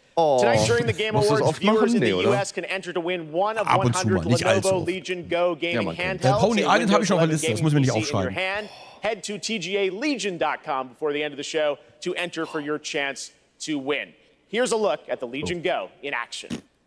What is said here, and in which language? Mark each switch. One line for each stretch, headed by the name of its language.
English: Oh, tonight during the Game Awards, viewers in the US can enter to win one of 100 Lenovo Legion Go gaming handhelds.
German: Pony Island habe ich schon auf der Liste, das muss ich mir nicht aufschreiben.
English: Head to tgalegion.com before the end of the show to enter for your chance to win. Here's a look at the Legion Go in action.